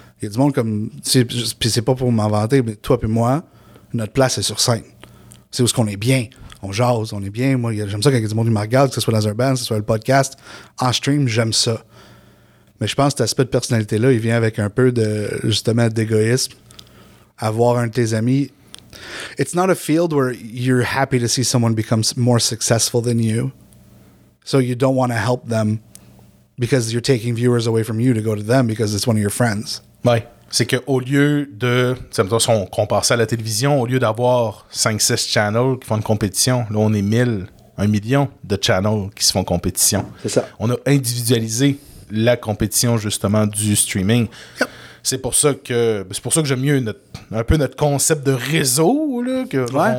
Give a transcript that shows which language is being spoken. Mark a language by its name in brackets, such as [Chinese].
[French] Il y a du monde comme, tu sais, puis c'est pas pour m'en vanter, mais toi puis moi, notre place est sur scène. C'est où est-ce qu'on est bien. On jase, on est bien. Moi, j'aime ça quand il y a du monde qui me regarde, que ce soit dans un band, que ce soit le podcast. En stream, j'aime ça. Mais je pense que cet aspect de personnalité-là, il vient avec un peu de, justement, d'égoïsme. Avoir un de tes amis. [English] It's not a field where you're happy to see someone become more successful than you. So you don't want to help them because you're taking viewers away from you to go to them because it's one of your friends. [French] Oui. C'est qu'au lieu de... Tu sais, si on compare ça à la télévision, au lieu d'avoir 5-6 channels qui font une compétition, là, on est 1000, 1 million de channels qui se font compétition. C'est ça. On a individualisé la compétition justement du streaming. [English] Yep. [French] C'est pour ça que j'aime mieux un peu notre concept de réseau là, que ouais.